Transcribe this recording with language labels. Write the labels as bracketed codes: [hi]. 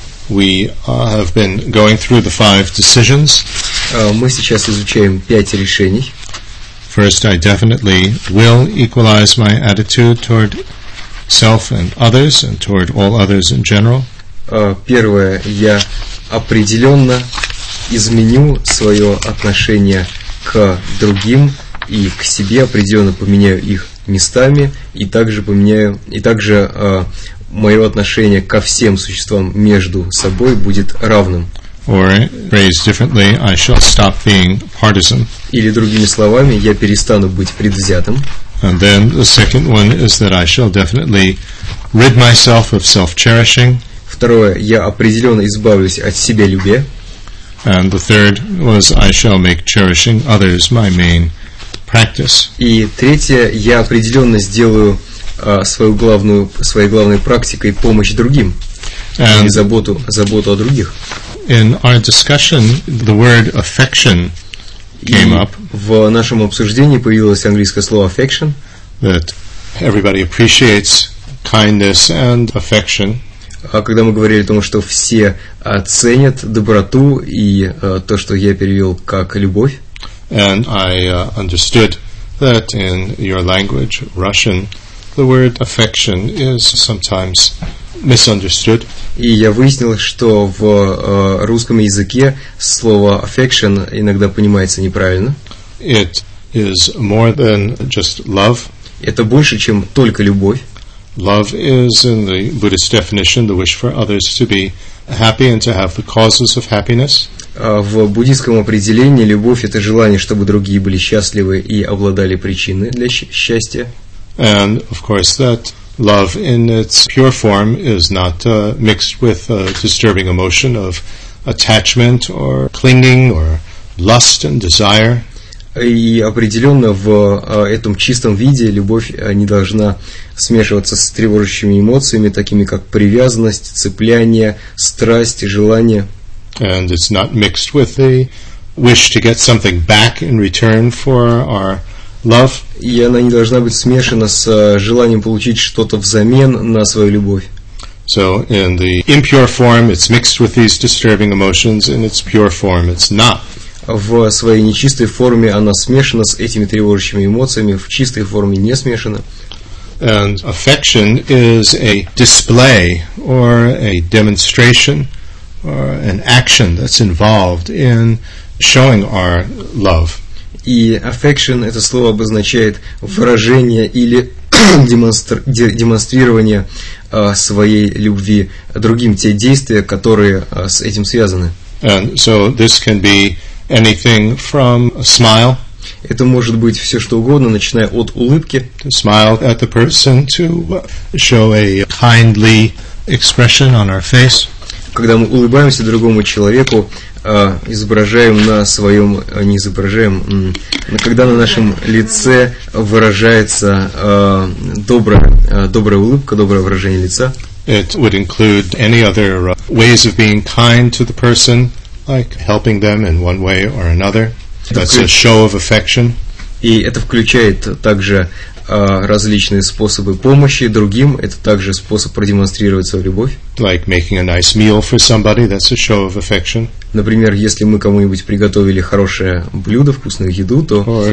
[en] We have been going through the five decisions. [ru] Мы сейчас изучаем пять решений. [en] First, I definitely will equalize my attitude toward self and others and toward all others in general. [ru] Первое, я определенно изменю свое отношение к другим и к себе, определенно поменяю их местами, и также поменяю, и также мое отношение ко всем существам между собой будет равным. [en] Or, phrased differently, I shall stop being partisan. [ru] Или другими словами, я перестану быть предвзятым. [en] And then the second one is that I shall definitely rid myself of self-cherishing. [ru] Второе, я определенно избавлюсь от себялюбия. [en] And the third was I shall make cherishing others my main practice. [ru] И третье, я определенно сделаю своей главной практикой помощь другим, [en] and [ru] или заботу о других. [en] In our discussion, the word affection came up. [ru] В нашем обсуждении появилось английское слово affection. [en] That everybody appreciates kindness and affection. [ru] Когда мы говорили о том, что все ценят доброту и то, что я перевел как любовь. [en] And I understood that in your language, Russian, the word affection is sometimes misunderstood. [ru] И я выяснил, что в русском языке слово affection иногда понимается неправильно. [en] It is more than just love. [ru] Это больше, чем только любовь. [en] Love is, in the Buddhist definition, the wish for others to be happy and to have the causes of happiness. [ru] В буддийском определении любовь — это желание, чтобы другие были счастливы и обладали причиной для счастья. [en] And of course, that love in its pure form is not mixed with a disturbing emotion of attachment or clinging or lust and desire. [ru] И определенно в этом чистом виде любовь не должна смешиваться с тревожащими эмоциями, такими как привязанность, цепляние, страсть, желание. [en] And it's not mixed with the wish to get something back in return for our love. [ru] И она не должна быть смешана с желанием получить что-то взамен на свою любовь. [en] So in the impure form it's mixed with these disturbing emotions, in its pure form it's not. [ru] В своей нечистой форме она смешана с этими тревожащими эмоциями, в чистой форме не смешана. [en] And affection is a display or a demonstration or an action that's involved in showing our love. [ru] И affection — это слово обозначает выражение или демонстрирование своей любви другим, те действия, которые с этим связаны. [en] And so this can be anything from a smile. [ru] Это может быть все что угодно, начиная от улыбки. [en] To smile at the person, to show a kindly expression on our face. [ru] Когда мы улыбаемся другому человеку, изображаем на своем, не изображаем, когда на нашем лице выражается добрая улыбка, доброе выражение лица. [en] It would include any other ways of being kind to the person, like helping them in one way or another. That's a show of affection. [ru] И это включает также различные способы помощи другим. Это также способ продемонстрировать свою любовь. [en] Like making a nice meal for somebody. That's a show of affection. [ru] Например, если мы кому-нибудь приготовили хорошее блюдо, вкусную еду, то